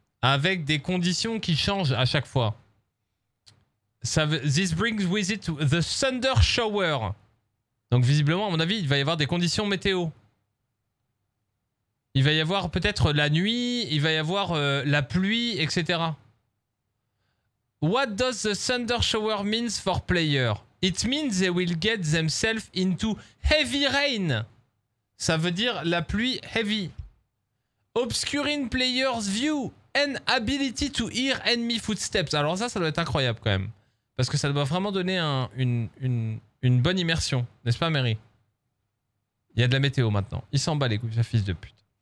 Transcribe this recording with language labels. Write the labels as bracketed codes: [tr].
[fr] Avec des conditions qui changent à chaque fois. [en] This brings with it the thunder shower. [fr] Donc, visiblement, à mon avis, il va y avoir des conditions météo. Il va y avoir peut-être la nuit, il va y avoir la pluie, etc. [en] What does the thunder shower means for player? It means they will get themselves into heavy rain. [fr] Ça veut dire la pluie heavy. [en] Obscuring player's view and ability to hear enemy footsteps. [fr] Alors ça doit être incroyable quand même. Parce que ça doit vraiment donner une bonne immersion. N'est-ce pas, Mary? Il y a de la météo maintenant. Il s'en bat les couilles, fils de pute.